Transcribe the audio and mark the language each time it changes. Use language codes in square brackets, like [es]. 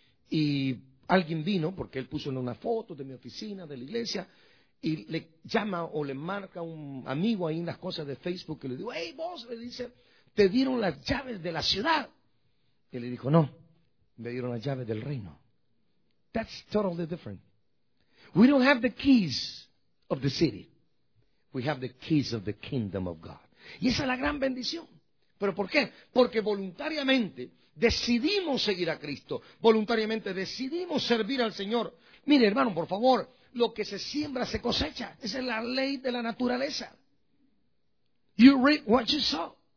[es] Y alguien vino, porque él puso una foto de mi oficina, de la iglesia, y le llama o le marca un amigo ahí en las cosas de Facebook, y le digo, hey, vos, le dice, ¿te dieron las llaves de la ciudad? Y le dijo, no, me dieron las llaves del reino. [en] That's totally different. We don't have the keys of the city. We have the keys of the kingdom of God. [es] Y esa es la gran bendición. ¿Pero por qué? Porque voluntariamente decidimos seguir a Cristo. Voluntariamente decidimos servir al Señor. Mire, hermano, por favor, lo que se siembra se cosecha. Esa es la ley de la naturaleza. [en] You reap what you sow.